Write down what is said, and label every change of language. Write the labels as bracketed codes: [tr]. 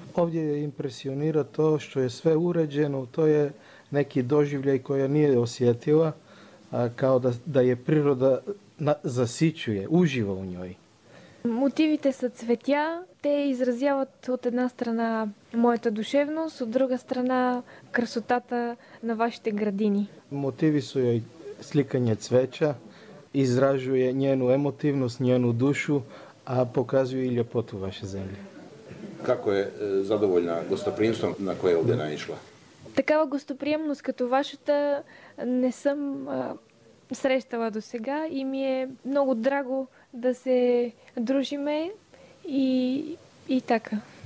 [sr] Овде је импресионира то што је све уређено, то је неки доживљај која није осјетила, као да је природа засићује, ужива у њој. [bg] Мотивите са цветя, те изразяват от една страна моята душевност, от друга страна красотата на вашите градини. [sr] Мотиви су је сликање цвеча, изражује њену емотивност, њену душу, а показују и ljepotu ваше земље. Како је задоволна гостопријемством на које овде наишла? [bg] Такава гостопријемност като вашата не сам срещала до сега и ми е много драго да се дружиме и така.